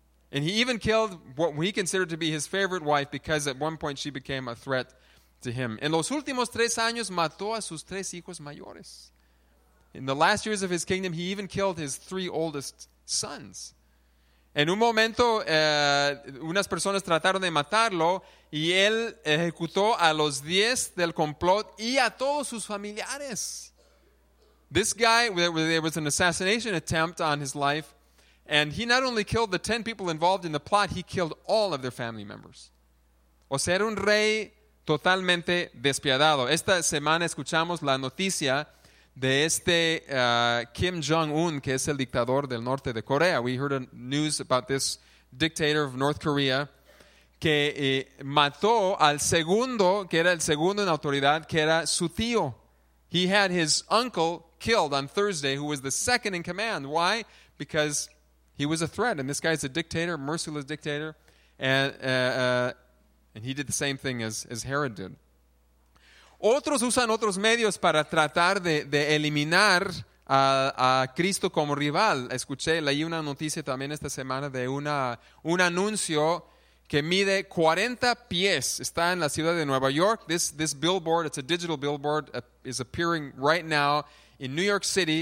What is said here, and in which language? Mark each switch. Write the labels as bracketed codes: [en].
[en] And he even killed what he considered to be his favorite wife because at one point she became a threat to him. [es] En los últimos 3 años, mató a sus 3 hijos mayores. [en] In the last years of his kingdom, he even killed his 3 oldest sons. [es] En un momento, unas personas trataron de matarlo y él ejecutó a los 10 del complot y a todos sus familiares. [en] This guy, there was an assassination attempt on his life, and he not only killed the 10 people involved in the plot, he killed all of their family members. [es] O sea, era un rey totalmente despiadado. Esta semana escuchamos la noticia de este Kim Jong-un, que es el dictador del norte de Corea. [en] We heard a news about this dictator of North Korea, [es] que mató al segundo, que era el segundo en autoridad, que era su tío. [en] He had his uncle killed on Thursday, who was the second in command. Why? Because he was a threat, and this guy's a dictator, merciless dictator, and he did the same thing as Herod did. [es] Otros usan otros medios para tratar de eliminar a Cristo como rival. Escuché, leí una noticia también esta semana de un anuncio que mide 40 pies. Está en la ciudad de Nueva York. [en] This billboard, it's a digital billboard, is appearing right now in New York City.